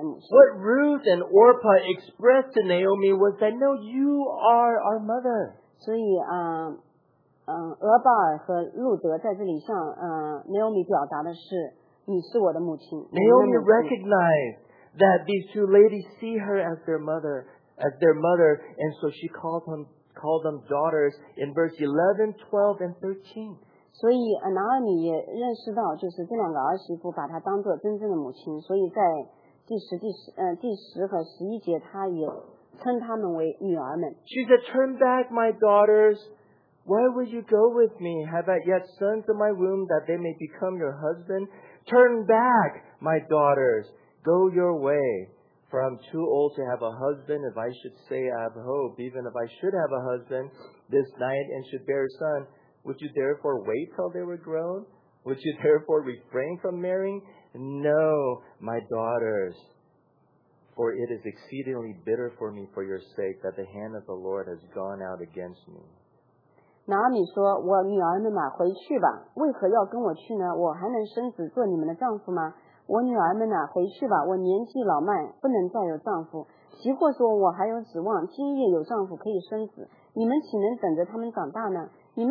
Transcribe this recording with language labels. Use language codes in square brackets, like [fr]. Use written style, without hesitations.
[en] What Ruth and Orpah expressed to Naomi was that, no, you are our mother. [zh] 所以, 俄巴尔和路德在这里上, [en] Naomi [zh] 表达的是, [en] Naomi recognized that these two ladies see her as their mother, and so she called them daughters in verse 11, 12, and 13. [zh] 所以, 拿俄米也认识到就是这两个儿媳妇把她当作真正的母亲, 所以在第十和十一节, 她也称她们为女儿们。 [en] She said, turn back, my daughters. Why will you go with me? Have I yet sons in my womb that they may become your husband? Turn back, my daughters. Go your way. For I'm too old to have a husband. If I should say I have hope, even if I should have a husband this night and should bear a son, would you therefore wait till they were grown? Would you therefore refrain from marrying? No, my daughters, for it is exceedingly bitter for me for your sake that the hand of the Lord has gone out against me. [zh] 拿俄米说：“我女儿们呐，回去吧，为何要跟我去呢？我还能生子做你们的丈夫吗？我女儿们呐，回去吧，我年纪老迈，不能再有丈夫。媳妇说：我还有指望，今夜有丈夫可以生子，你们岂能等着他们长大呢？”